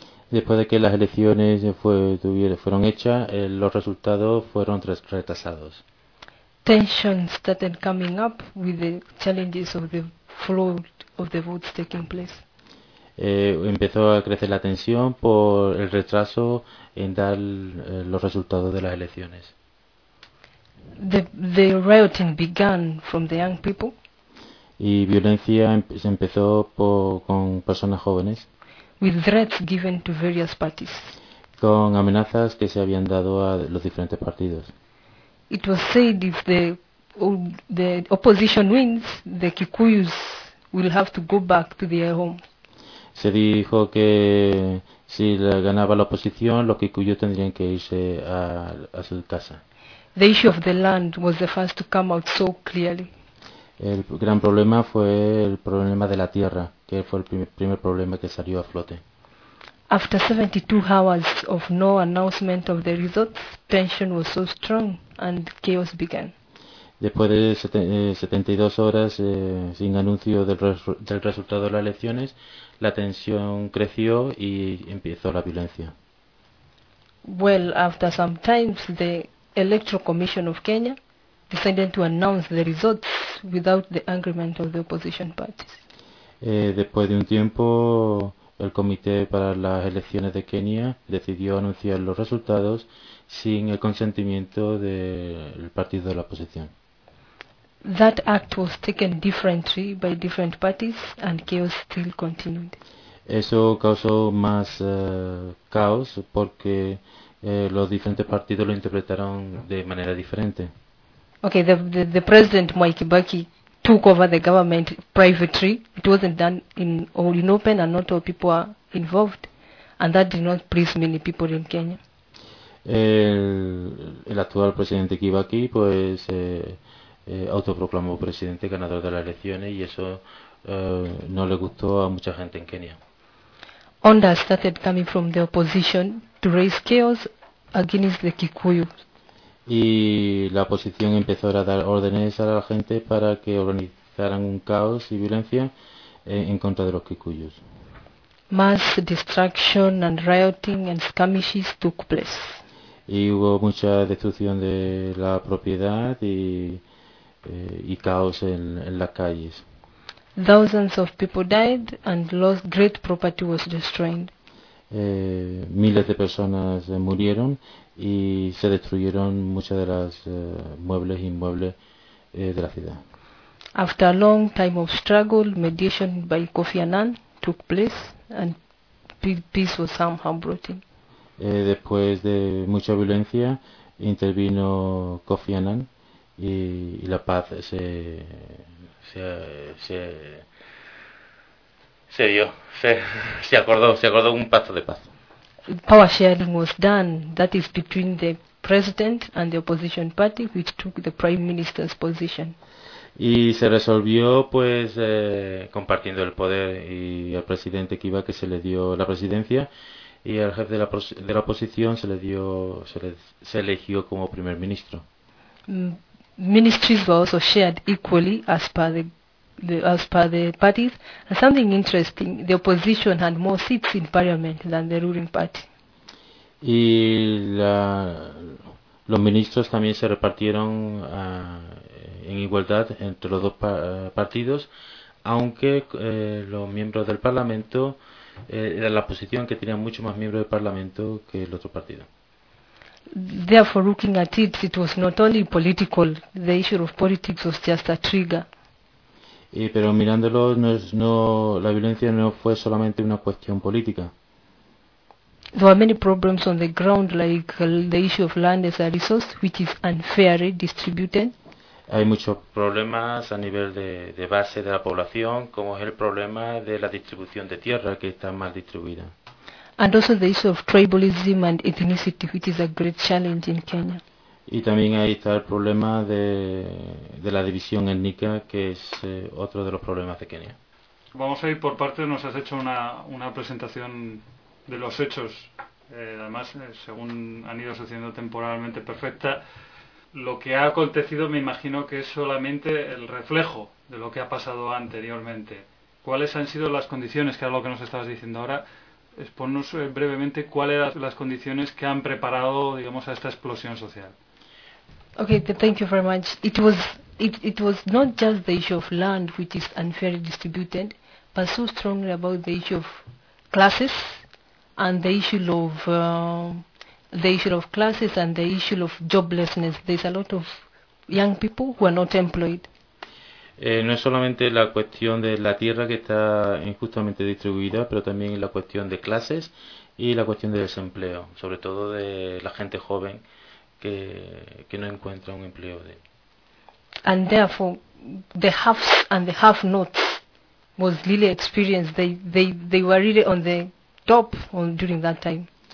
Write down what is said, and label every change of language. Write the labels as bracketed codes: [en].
[es] Después de que las elecciones fueron hechas, los resultados fueron retrasados. [en] Tensions started coming up with the challenges of the flow of the votes taking place. [es] Empezó a crecer la tensión por el retraso en dar los resultados de las elecciones. [en] The rioting began from the young people. [es] Y violencia se empezó con personas jóvenes. [en] With threats given to various parties. [es] Con amenazas que se habían dado a los diferentes partidos. [en] It was said if the opposition wins, the Kikuyus will have to go back to their home. [es] Se dijo que si ganaba la oposición, los Kikuyus tendrían que irse a su casa. [en] The issue of the land was the first to come out so clearly. [es] El gran problema fue el problema de la tierra, que fue el primer problema que salió a flote. [en] After 72 hours of no announcement of the results, tension was so strong and chaos began. [es] Después de 72 horas sin anuncio del resultado de las elecciones, la tensión creció y empezó la violencia. [en] Well, after some time, the Electoral Commission of Kenya decided to announce the results without the agreement of the opposition parties. [es] Después de un tiempo, el Comité para las Elecciones de Kenia decidió anunciar los resultados sin el consentimiento del partido de la oposición. [en] That act was taken differently by different parties and chaos still continued. [es] Eso causó más caos porque los diferentes partidos lo interpretaron de manera diferente. [en] Okay, the president Mwai Kibaki took over the government privately. It wasn't done in open and not all people are involved, and that did not please many people in Kenya. [es] El actual presidente Kibaki pues autoproclamó presidente ganador de las elecciones y eso no le gustó a mucha gente en Kenia. [en] Onda started coming from the opposition to raise chaos against the Kikuyu. [es] Y la oposición empezó a dar órdenes a la gente para que organizaran un caos y violencia en contra de los Kikuyus. [en] Mass destruction and rioting and skirmishes took place. [es] Y hubo mucha destrucción de la propiedad y caos en las calles. [en] Thousands of people died and lost great property was destroyed. [es] miles de personas murieron y se destruyeron muchas de las muebles e inmuebles de la ciudad. [en] After a long time of struggle, mediation by Kofi Annan took place and peace was somehow brought in. [es] Después de mucha violencia intervino Kofi Annan y la paz se dio, se acordó un pacto de paz. [en] Power sharing was done, that is between the president and the opposition party, which took the prime minister's position. [es] Y se resolvió pues compartiendo el poder y al presidente Kiva que se le dio la presidencia y al jefe de la oposición se eligió como primer ministro. [en] Ministries were also shared equally as per the parties. And something interesting, the opposition had more seats in parliament than the ruling party. [es] Y los ministros también se repartieron en igualdad entre los dos partidos, aunque los miembros del Parlamento, era la oposición que tenía mucho más miembros del Parlamento que el otro partido. [en] Therefore, looking at it, it was not only political, the issue of politics was just a trigger. [es] Pero mirándolo, la violencia no fue solamente una cuestión política. [en] There were many problems on the ground, like the issue of land as a resource, which is unfairly distributed. [es] Hay muchos problemas a nivel de base de la población, como es el problema de la distribución de tierra, que está mal distribuida. [en] And also the issue of tribalism and ethnicity, which is a great challenge in Kenya. [es] Y también ahí está el problema de la división étnica, que es otro de los problemas de Kenia. Vamos a ir por partes, nos has hecho una presentación de los hechos, además, según han ido sucediendo temporalmente perfecta. Lo que ha acontecido me imagino que es solamente el reflejo de lo que ha pasado anteriormente. ¿Cuáles han sido las condiciones? Que era lo que nos estabas diciendo ahora. Exponnos brevemente cuáles eran las condiciones que han preparado, digamos, a esta explosión social. [en] Okay, thank you very much. It was not just the issue of land which is unfairly distributed, but so strongly about the issue of classes and the issue of classes and the issue of joblessness. There's a lot of young people who are not employed. [es] No es solamente la cuestión de la tierra que está injustamente distribuida, pero también la cuestión de clases y la cuestión de desempleo, sobre todo de la gente joven que no encuentra un empleo. [en] And therefore, the haves and the have-nots was really experienced. They were really on the top during that time.